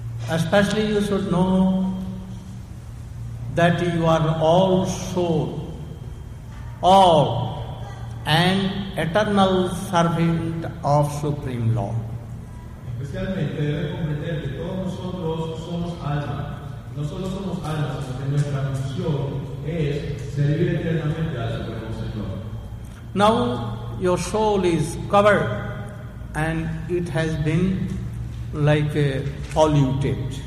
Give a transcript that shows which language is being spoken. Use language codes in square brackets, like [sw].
[en] Especially you should know that you are all soul, all and eternal servant of Supreme Lord. [es] Especialmente debe comprender que todos nosotros somos almas. No solo somos almas, sino que nuestra misión es servir eternamente al Supremo Señor. [en] Now your soul is covered and it has been like polluted.